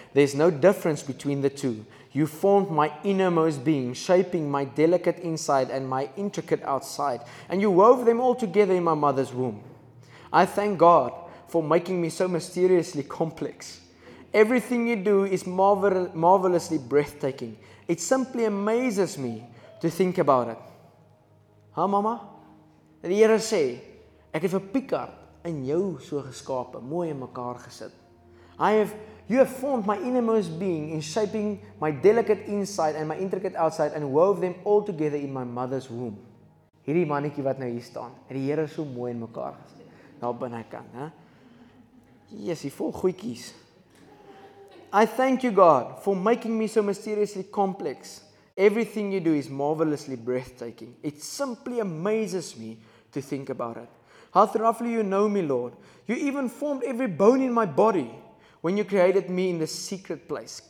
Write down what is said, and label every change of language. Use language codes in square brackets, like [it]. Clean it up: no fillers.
[en] There is no difference between the two. You formed my innermost being, shaping my delicate inside and my intricate outside, and you wove them all together in my mother's womb. I thank God for making me so mysteriously complex. Everything you do is marvelously breathtaking. It simply amazes me to think about it. Ha mama? [af] Die Here sê, ek het vir Picard in jou so geskape, mooi in mekaar gesit. [en] You have formed my innermost being in shaping my delicate inside and my intricate outside and wove them all together in my mother's womb. [af] Hierdie mannetjie wat nou hier staan, het die Here so mooi in mekaar gesit. Daar binnekant, hè? Yes, hy vol goetjies. [en] I thank you, God, for making me so mysteriously complex. Everything you do is marvelously breathtaking. It simply amazes me to think about it. How thoroughly you know me, Lord. You even formed every bone in my body when you created me in the secret place.